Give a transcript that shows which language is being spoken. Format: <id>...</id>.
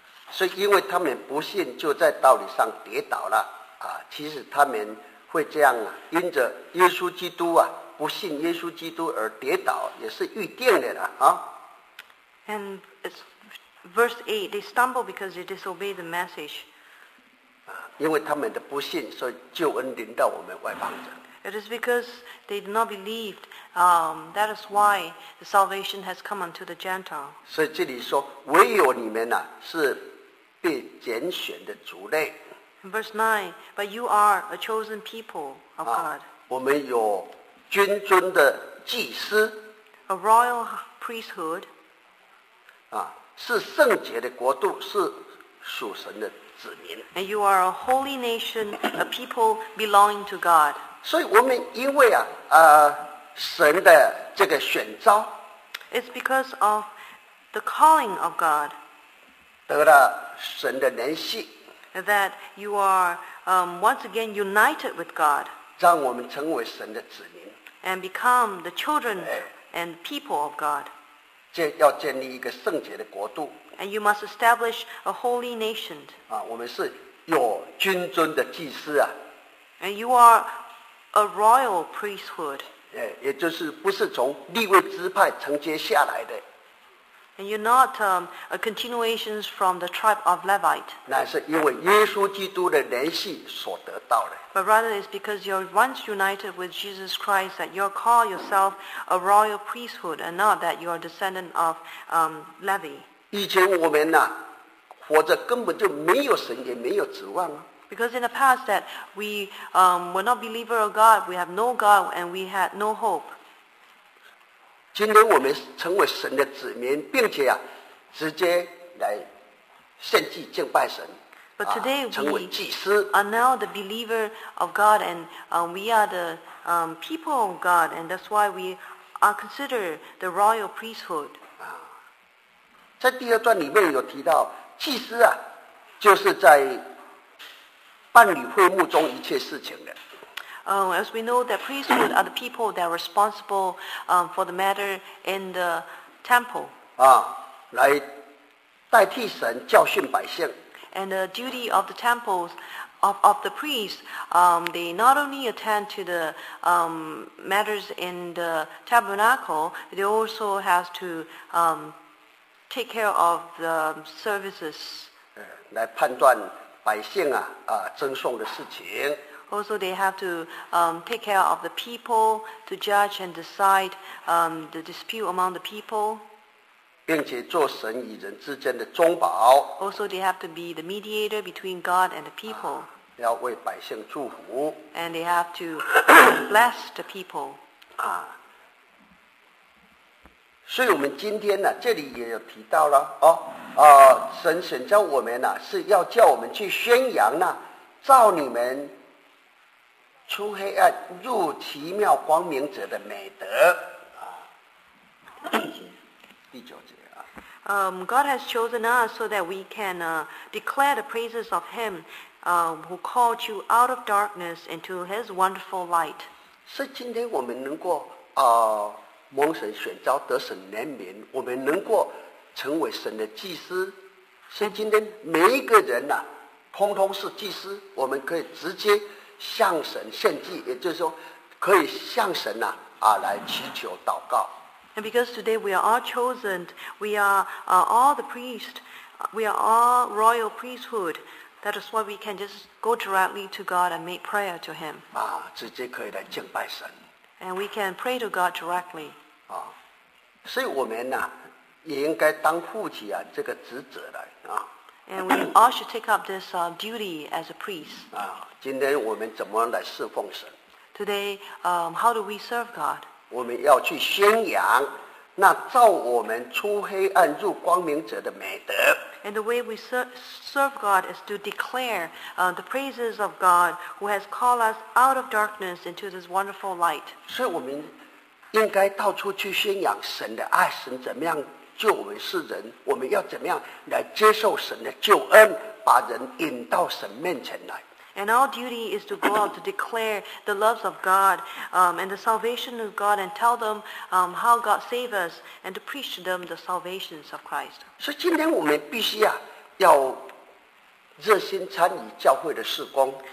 <zh>所以因为他们不信，就在道理上跌倒了啊。其实他们会这样啊，因着耶稣基督啊，不信耶稣基督而跌倒，也是预定的了啊。</zh> <en>And verse 8, they stumble because they disobey the message.</en> <zh>因为他们的不信，所以救恩临到我们外邦人。</zh> <en>It is because they did not believe, that is why the salvation has come unto the Gentile.</en> <zh>所以这里说，唯有你们啊，是被拣选的族类。</zh> <en>Verse 9, but you are a chosen people of God.</en> <zh>我们有君尊的祭司。</zh> <en>A royal priesthood.</en> <zh>是圣洁的国度，是属神的子民。</zh> <en>And you are a holy nation, a people belonging to God.</en> <zh>所以我们因为神的这个选召。</zh> <en>It's because of the calling of God.</en> <zh>得了神的联系。</zh> <en>That you are once again united with God.</en> <zh>让我们成为神的子民。</zh> <en>And become the children and people of God.</en> <zh>要建立一个圣洁的国度。</zh> <en>And you must establish a holy nation.</en> <zh>我们是有君尊的祭司啊。</zh> <en>And you are a royal priesthood.</en> <zh>也就是不是从利未支派承接下来的。</zh> <en>And you're not a continuation from the tribe of Levite.</en> <zh>乃是因为耶稣基督的联系所得到的。</zh> <en>But rather it's because you're once united with Jesus Christ that you call yourself a royal priesthood and not that you're a descendant of Levi.</en> <zh>以前我们活着根本就没有神也没有指望。</zh> <en>Because in the past that we were not believers of God, we have no God and we had no hope.</en> <zh>今天我们成为神的子民，并且直接来献祭敬拜神。</zh> <en>But today</en> <zh>成为祭司。</zh> <en>We are now the believer of God, and we are the people of God, and that's why we are considered the royal priesthood.</en> <zh>在第二段里面有提到，祭司就是在办理会幕中一切事情的。</zh> <en>As we know that priesthood are the people that are responsible for the matter in the temple.</en> <zh>来代替神教训百姓。</zh> <en>And the duty of the temples of the priests, they not only attend to the matters in the tabernacle, they also have to take care of the services.</en> <zh>来判断百姓赠送的事情。</zh> <en>Also, they have to take care of the people to judge and decide the dispute among the people.</en> <zh>并且做神与人之间的中保。</zh> <en>Also, they have to be the mediator between God and the people.</en> <zh>要为百姓祝福。</zh> <en>And they have to bless the people.</en> <zh>所以我们今天呢，这里也有提到了神选召我们是要叫我们去宣扬照你们。出黑暗入奇妙光明者的美德第九节</zh> <en>God has chosen us so that we can declare the praises of him who called you out of darkness into his wonderful light.</en> <zh>是今天我们能够蒙神选召得神怜悯，我们能够成为神的祭司，是今天每一个人通通是祭司，我们可以直接向神献祭，也就是说可以向神来祈求祷告。</zh> <en>And because today we are all chosen, we are all the priests, we are all royal priesthood, that is why we can just go directly to God and make prayer to him.</en> <zh>直接可以来敬拜神。</zh> <en>And we can pray to God directly.</en> <zh>所以我们也应该当负起这个职责来。</zh> <en>And we all should take up this duty as a priest.</en> <zh>今天我们怎么来侍奉神？</zh> <en>Today, how do we serve God?</en> <zh>我们要去宣扬那照我们出黑暗入光明者的美德。</zh> <en>And the way we serve God is to declare the praises of God who has called us out of darkness into this wonderful light.</en> <zh>所以我们应该到处去宣扬神的爱，神怎么样救我们世人，我们要怎么样来接受神的救恩，把人引到神面前来。</zh> <en>And our duty is to go out to declare the loves of God and the salvation of God and tell them how God saved us and to preach to them the salvations of Christ.</en> <zh>所以今天我们必须要热心参与教会的事工。</zh>